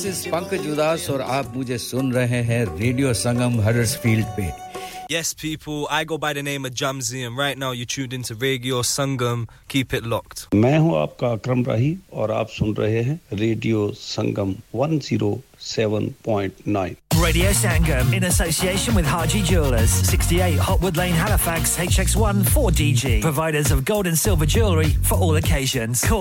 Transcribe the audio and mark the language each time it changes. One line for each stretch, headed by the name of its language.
Hindi: और आप मुझे सुन रहे हैं रेडियो संगम हडर्सफील्ड पे.
English: Yes, people, I go by the name of Jamzi, and right now you're tuned into Radio Sangam. Keep it locked.
Hindi: मैं हूं आपका अकरम राही और आप सुन रहे हैं radio Sangam 107.9.
English: Radio Sangam, in association with Haji Jewelers. 68 Hotwood Lane, Halifax, HX1 4DG. Providers of gold and silver jewellery for all occasions. Call